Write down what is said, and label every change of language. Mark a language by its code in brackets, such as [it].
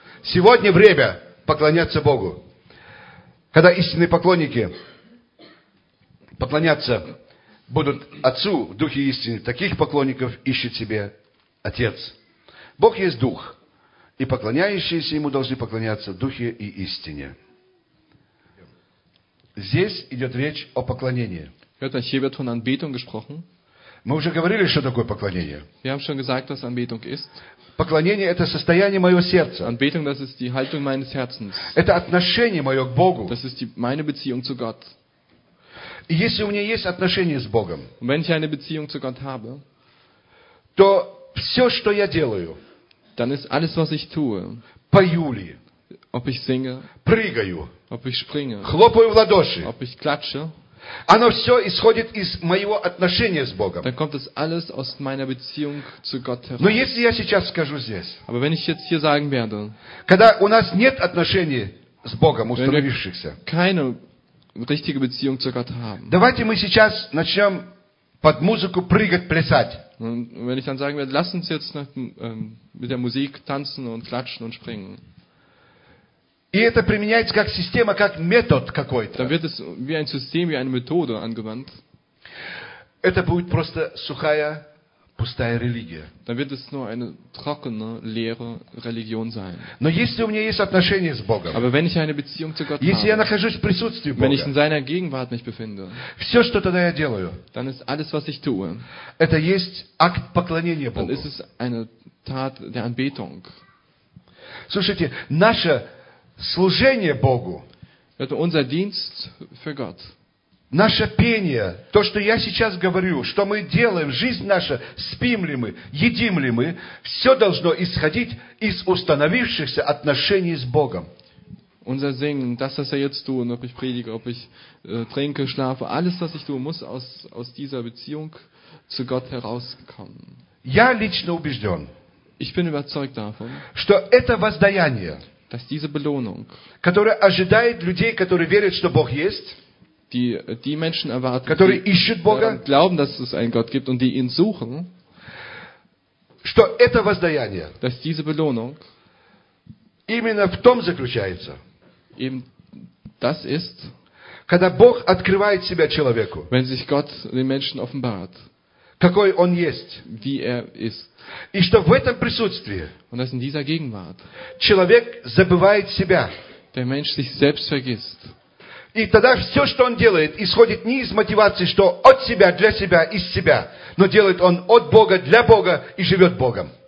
[ru] Сегодня время поклоняться Богу. Когда истинные поклонники поклоняться будут Отцу в Духе истины, таких поклонников ищет себе Отец. Бог есть Дух, и поклоняющиеся Ему должны поклоняться в Духе и истине. Здесь идет речь о поклонении. [de] Hier wird von Anbetung gesprochen. [ru] Мы уже говорили, что такое поклонение. [de] Wir haben schon gesagt, was Anbetung ist. [ru] Поклонение – это состояние моего сердца. [de] Anbetung, das ist die Haltung meines Herzens. [ru] Это отношение мое к Богу. [de] Das ist meine Beziehung zu Gott. [ru] Если у меня есть отношения с Богом, [de] und wenn ich eine Beziehung zu Gott habe, [ru] то все, что я делаю, [de] dann ist alles, was ich tue, [ru] пою ли, [de] ob ich singe, [ru] прыгаю, [de] ob ich springe, [ru] хлопаю в ладоши, [de] ob ich klatsche, [ru] оно все исходит из моего отношения с Богом. [de] Dann kommt es alles aus meiner Beziehung zu Gott heraus. [ru] Но если я сейчас скажу здесь, [de] aber wenn ich jetzt hier sagen werde, [ru] когда у нас нет отношений с Богом установившихся, [de] keine richtige Beziehung zu Gott haben. [ru] Давайте мы сейчас начнем под музыку прыгать, плясать. [de] Und wenn ich dann sagen werde, lass uns jetzt nach, mit der Musik tanzen und klatschen und springen. [ru] И это применяется как система, как метод какой-то. [de] Dann wird es wie ein System, wie eine Methode angewandt. [ru] Это будет просто сухая, пустая религия. [de] Dann wird es nur eine trockene, leere Religion sein. [ru] Но если у меня есть отношения с Богом, [de] aber wenn ich eine Beziehung zu Gott [ru] если [de] habe, [ru] я нахожусь в присутствии Бога, [de] wenn ich in seiner Gegenwart mich befinde, [ru] все, что тогда я делаю, [de] dann ist alles, was ich tue, [ru] это есть акт поклонения Богу. [de] Dann ist es eine Tat der Anbetung. [ru] Слушайте, наше служение Богу, [de] это unser Dienst für Gott. [ru] Наше пение, то, что я сейчас говорю, что мы делаем, жизнь наша, спим ли мы, едим ли мы, все должно исходить из установившихся отношений с Богом. [de] Unser Singen, das, was wir jetzt tun, ob ich predige, ob ich trinke, schlafe, alles, was ich tue, muss aus dieser Beziehung zu Gott herauskommen. [ru] Я лично убежден, [de] ich bin überzeugt davon, [ru] что это воздаяние, [de] dass diese Belohnung, [ru] которая ожидает людей, которые верят, что Бог есть, [de] die Menschen erwarten, [ru] которые ищут Бога, [de] die glauben, dass es einen Gott gibt und die ihn suchen, [ru] что это воздаяние, [de] dass diese Belohnung, [ru] именно в том заключается, [de] eben das ist, [ru] когда Бог открывает себя человеку, [de] wenn sich Gott den Menschen offenbart, [ru] какой он есть, [de] wie er ist, [ru] и что в этом присутствии, [de] und dass in dieser Gegenwart, [ru] человек забывает себя, [de] der Mensch sich selbst vergisst. [ru] И тогда все, что он делает, исходит не из мотивации, что от себя, для себя, из себя, но делает он от Бога, для Бога и живет Богом.